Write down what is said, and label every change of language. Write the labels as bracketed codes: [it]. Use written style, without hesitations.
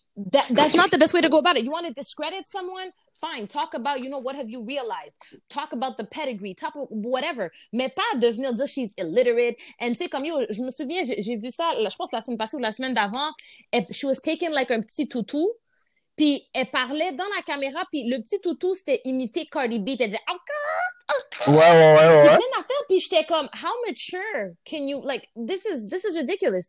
[en] That's not the best way to go about it. You want to discredit someone? Fine. Talk about, you know, what have you realized? Talk about the pedigree. Talk about whatever. [fr] Mais pas de venir dire [en] she's illiterate. [fr] And c'est comme, yo, je me souviens, j'ai vu ça, je pense, la semaine passée ou la semaine d'avant. [en] And she was taking like [fr] un petit toutou. Puis elle parlait dans la caméra, puis le petit toutou, c'était imiter Cardi B. Puis elle disait, oh, God! Ouais. Puis j'étais comme, [en] how mature can you, like, this is ridiculous.